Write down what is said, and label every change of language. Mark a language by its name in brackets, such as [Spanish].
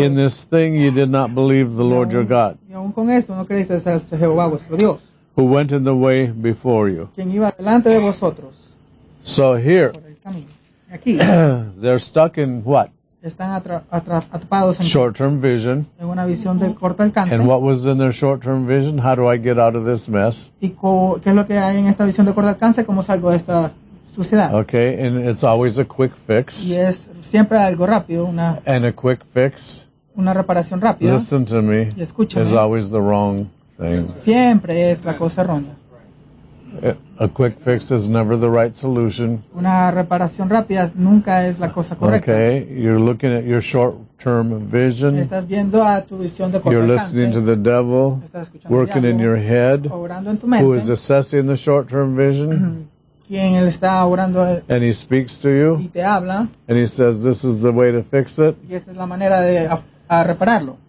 [English] in this thing you did not believe the Lord your God, [Spanish] y aún con esto, no creíste ser Jehová vuestro Dios, [English] who went in the way before you. [Spanish] Quien iba delante de vosotros. [English] So here, [Spanish] por el camino. Aquí, [English] they're stuck in what? [Spanish] Están atrapados en [English] short-term vision. [Spanish] En una visión de corto alcance. [English] And what was in their short-term vision? How do I get out of this mess? [Spanish] ¿Y qué es lo que hay en esta visión de corto alcance? ¿Cómo salgo de esta suciedad? [English] Okay, and it's always a quick fix. [Spanish] Y es siempre algo rápido. Una, [English] and a quick fix. [Spanish] Una reparación rápida. [English] Listen to me. [Spanish] Y escúchame. [English] Is always the wrong thing. [Spanish] Siempre es la cosa errónea. [English] A quick fix is never the right solution. [Spanish] Una reparación rápida nunca es la cosa correcta. [English] Okay, you're looking at your short-term vision. [Spanish] Estás viendo a tu visión de corto. [English] You're listening [Spanish] alcance. [English] To the devil. [Spanish] Estás escuchando [English] working [Spanish] diablo, [English] in your head. [Spanish] Orando en tu mente. [English] Who is assessing the short-term vision. [Spanish] ¿Quién él está orando? [English] And he speaks to you. [Spanish] Y te habla. [English] And he says, this is the way to fix it. [Spanish] Y esta es la manera de a repararlo.